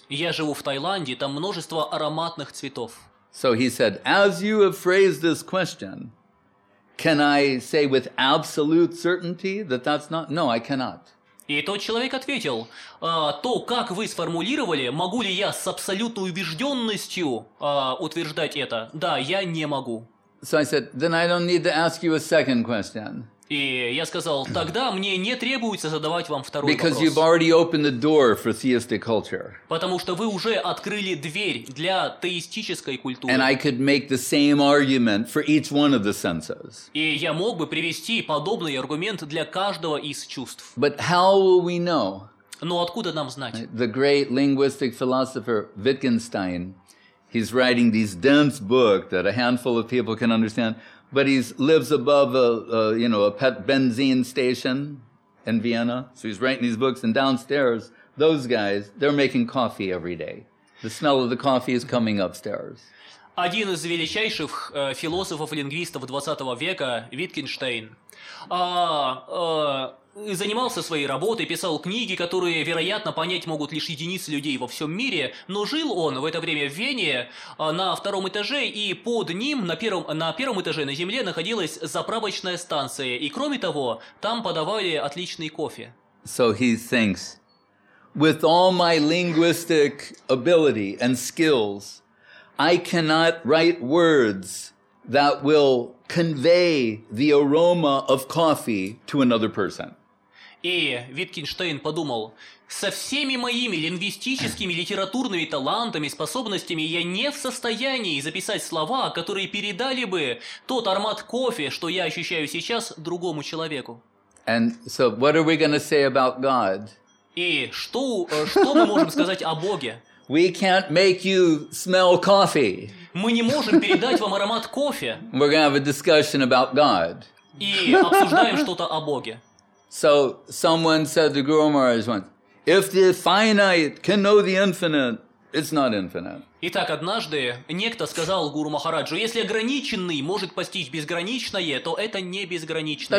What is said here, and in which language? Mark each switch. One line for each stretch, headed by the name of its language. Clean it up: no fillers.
Russian: Я живу в Таиланде, там множество ароматных цветов.
English: So he said, as you have phrased this question, can I say with absolute certainty that that's not? No, I cannot.
Russian: И тот человек ответил, то, как вы сформулировали, могу ли я с абсолютной убежденностью утверждать это? Да, я не могу.
English: So I said, then I don't need to ask you a second question.
Russian: И я сказал, тогда мне не требуется задавать вам второй
English: Because
Russian: вопрос.
English: You've already opened the door for theistic culture.
Russian: Потому что вы уже открыли дверь для теистической культуры.
English: And I could make the same argument for each one of the senses.
Russian: И я мог бы привести подобный аргумент для каждого из чувств.
English: But how will we know?
Russian: Но откуда нам знать?
English: The great linguistic philosopher Wittgenstein, he's writing these dense book that a handful of people can understand. But he lives above a benzene station in Vienna. So he's writing these books. And downstairs, those guys, they're making coffee every day. The smell of the coffee is coming upstairs.
Russian: Один из величайших философов-лингвистов 20 века, Витгенштейн, занимался своей работой, писал книги, которые, вероятно, понять могут лишь единицы людей во всем мире, но жил он в это время в Вене на втором этаже, и под ним, на первом этаже на земле, находилась заправочная станция, и кроме того, там подавали отличный кофе.
English: So he thinks, with all my linguistic ability and skills, I cannot write words that will convey the aroma of coffee to another person.
Russian: И Витгенштейн подумал, со всеми моими лингвистическими, литературными талантами, способностями я не в состоянии записать слова, которые передали бы тот аромат кофе, что я ощущаю сейчас, другому человеку.
English: And so what are we going to say about God?
Russian: И что мы можем сказать о Боге?
English: We can't make you smell coffee.
Russian: Мы не можем передать вам аромат кофе.
English: We're going to have a discussion about God.
Russian: И обсуждаем что-то о Боге.
English: So someone said to Guru Maharaj once, if the finite can know the infinite, it's not infinite.
Russian: Итак, однажды некто сказал Гуру Махараджу, если ограниченный может постичь безграничное, то это не безграничное.